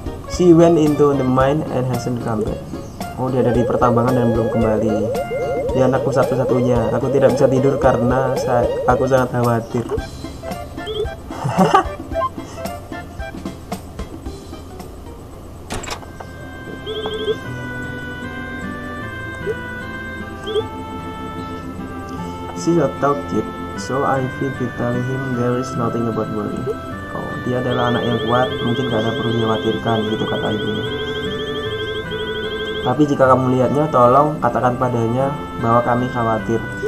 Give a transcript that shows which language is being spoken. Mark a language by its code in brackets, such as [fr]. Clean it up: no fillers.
[en] She went into the mine and hasn't come back. [id] Oh, dia dari pertambangan dan belum kembali. Dia anakku satu-satunya. Aku tidak bisa tidur karena aku sangat khawatir. [en] She's a tough kid, so I feel to tell him there is nothing about worry. [id] Oh, dia adalah anak yang kuat, mungkin gak ada perlu dikhawatirkan, gitu kata ibunya. Tapi jika kamu lihatnya, tolong katakan padanya bahwa kami khawatir.